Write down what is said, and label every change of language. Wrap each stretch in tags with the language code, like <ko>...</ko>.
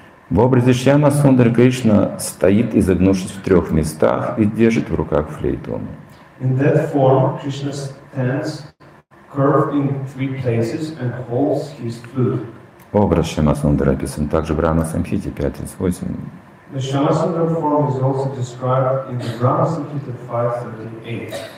<ru>В образе Шьяма Сундар Кришна стоит, изогнувшись в трех местах и держит в руках флейту.</ru> <en>In that form, Krishna stands curved in three places and holds his flute.</en> <ru>Образ Шьяма Сундара описан также в Брахма Самхите 5.38.</ru> <en>The Shyama Sundara form is also described in the Brahma Samhita 5.38.</en>